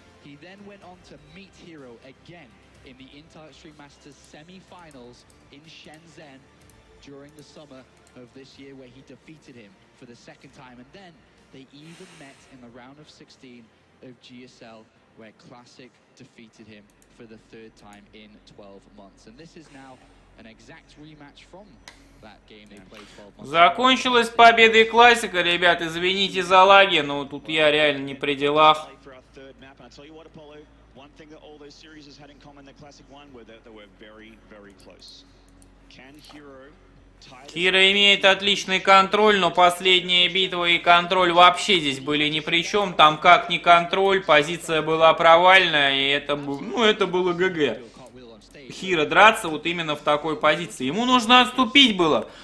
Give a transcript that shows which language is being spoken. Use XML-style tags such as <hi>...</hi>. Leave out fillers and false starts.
<en>He then went on to meet Hero again in the Intel Extreme Masters semi-finals in Shenzhen during the summer of this year, where he defeated him for the second time. And then they even met in the round of 16 of GSL, where Classic defeated him for the third time in 12 months. And this is now an exact rematch from that game they played 12 months ago.</en> <ru>Закончилась победа и классика, ребят, извините за лаги, но тут я реально не при делах.</ru> <en>One thing that all those series has had in common, the classic one, were that they were very, very close. Can Hero...</en> <ru>Хиро имеет отличный контроль, но последняя битва и контроль вообще здесь были ни при чем. Там как ни контроль, позиция была провальная, и это, ну, это было ГГ. Хиро драться вот именно в такой позиции. Ему нужно отступить было.</ru>